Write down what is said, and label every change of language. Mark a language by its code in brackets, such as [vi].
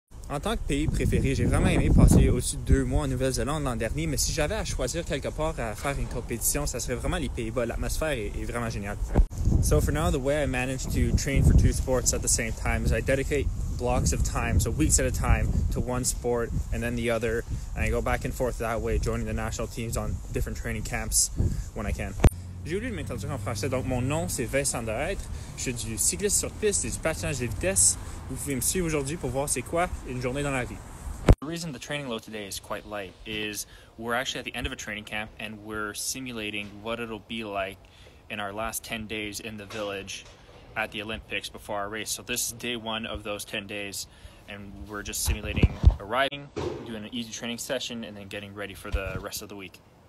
[fr] En tant que pays préféré, j'ai vraiment aimé passer au-dessus de deux mois en Nouvelle-Zélande l'an dernier, mais si j'avais à choisir quelque part à faire une compétition, ça serait vraiment les Pays-Bas. L'atmosphère est vraiment géniale. [en] So for now, the way I manage to train for two sports at the same time is I dedicate blocks of time, so weeks at a time, to one sport and then the other, and I go back and forth that way, joining the national teams on different training camps when I can. [fr] J'ai oublié de m'introduire en français, donc mon nom c'est Vincent Deraître. Je suis du cycliste sur piste et du patinage de vitesse. Vous pouvez me suivre aujourd'hui pour voir c'est quoi une journée dans la vie. [en] The reason the training load today is quite light is we're actually at the end of a training camp and we're simulating what it'll be like in our last 10 days in the village at the Olympics before our race. So this is day one of those 10 days and we're just simulating arriving, doing an easy training session and then getting ready for the rest of the week.